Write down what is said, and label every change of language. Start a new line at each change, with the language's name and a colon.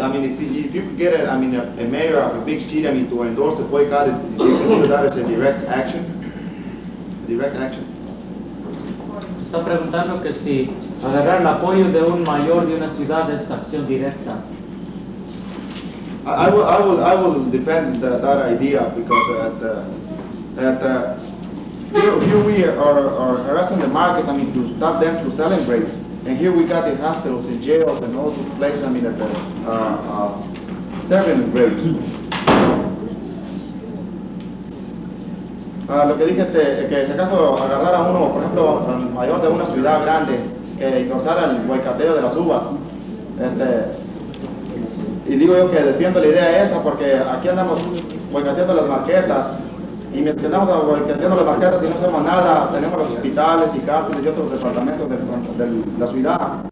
English: I mean, if you could get a mayor of a big city, I mean, to endorse the boycott, do you consider that as a direct action?
Spanish: Está preguntando que si agarrar el apoyo de un mayor de una ciudad es acción directa.
English: I will defend that idea because that here we are harassing the markets, I mean, to stop them from selling grapes. And here we got the hospitals and jails and all those places, I mean, that are serving grapes.
Spanish: Lo que dije este, que si acaso agarrar a uno, por ejemplo, mayor de una ciudad grande, que cortara el huecateo de las uvas, este, y digo yo que defiendo la idea esa porque aquí andamos huecateando las marquetas, y mientras andamos huecateando las marquetas y no hacemos nada, tenemos los hospitales y cárceles y otros departamentos de la ciudad.